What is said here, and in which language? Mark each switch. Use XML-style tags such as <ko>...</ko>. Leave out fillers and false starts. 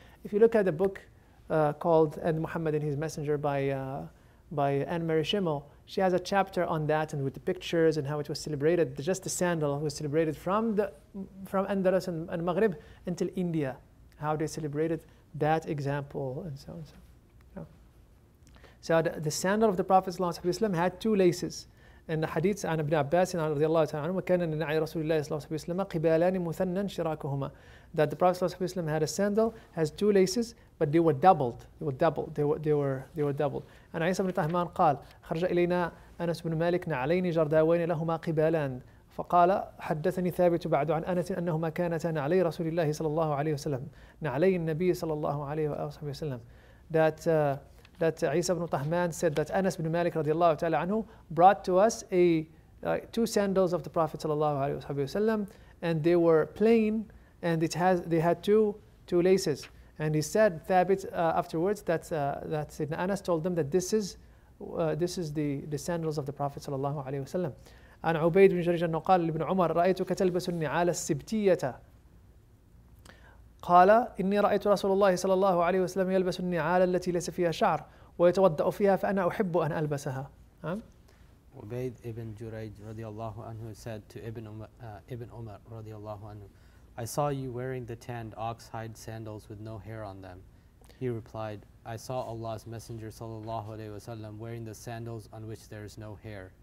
<en>If you look at the book called "And Muhammad and His Messenger" by Anne Mary Schimmel, she has a chapter on that and with the pictures and how it was celebrated. Just the sandal was celebrated from Andalus and Maghrib until India, how they celebrated that example and so on. So, yeah. So the sandal of the Prophet sallallahu alaihi wasallam had two laces.</en> <ar>And the hadith عن ابن عباس رضي الله تعالى عنه وكان أن نعي رسول الله صلى الله عليه وسلم قبالان مثنن شراكهما,</ar> <en>that the Prophet صلى الله عليه وسلم had a sandal, has two laces, but they were doubled. They were doubled.</en> <ar>And عيسى بن طهمان قال خرج إلينا أنس بن مالك نعلين جرداوين لهما قبالان, فقال حدثني ثابت بعد عن أنس أنهما كانتا نعلي رسول الله صلى الله عليه وسلم, نعلي النبي صلى الله عليه وسلم.</ar> <en>That Isa ibn Tahman said that Anas ibn Malik radiallahu ta'ala anhu brought to us two sandals of the Prophet sallallahu alaihi wasallam, and they were plain, and they had two laces. And he said Thabit afterwards that Sidna Anas told them that this is the sandals of the Prophet sallallahu alaihi wasallam.</en> <ar>An Ubayd ibn Jarir al-Nuqal ibn Umar ra'aytuka talbasu an-ni'al as-sibtiyata قال إني رأيت رسول الله صلى الله عليه وسلم يلبس النعال التي ليس فيها شعر ويتوضأ فيها, فأنا أحب أن ألبسها.</ar> <en>عبيد ابن جريج رضي الله عنه said to ابن عمر رضي الله عنه, I saw you wearing the tanned oxhide sandals with no hair on them. He replied, I saw Allah's Messenger صلى الله عليه وسلم wearing the sandals on which there is no hair.</en>